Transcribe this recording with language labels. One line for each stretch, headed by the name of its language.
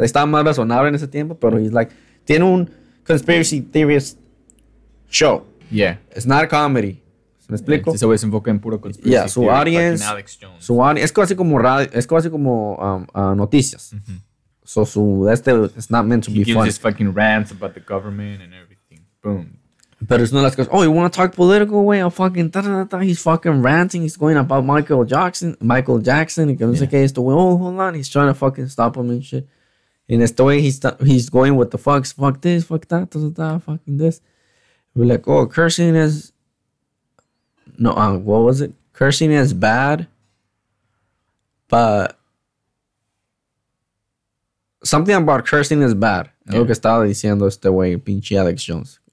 Spanish: Estaba más razonable en ese tiempo, pero
English: he's like,
Spanish: tiene un
English: conspiracy theorist show. Yeah. It's not a comedy.
Spanish: ¿Me explico? Ese güey se enfoca en puro conspiracy.
English: Yeah, su audience. Alex Jones.
Spanish: Es casi como radio, es casi como noticias. Mm-hmm.
English: So su, este, it's not meant to he be gives fun. He gives his fucking rants about the government and everything. Boom. But it's not like, oh, you want to talk political way? I'm fucking, he's fucking ranting. He's going about Michael Jackson. Hold on. He's trying to fucking stop him and shit. And it's the way he's going with the fucks. Fuck this, fuck that, fucking this. We're like, oh, cursing is, no, what was it? Cursing is bad, but something about cursing is bad.
Spanish: Lo que estaba diciendo este güey, pinche Alex Jones.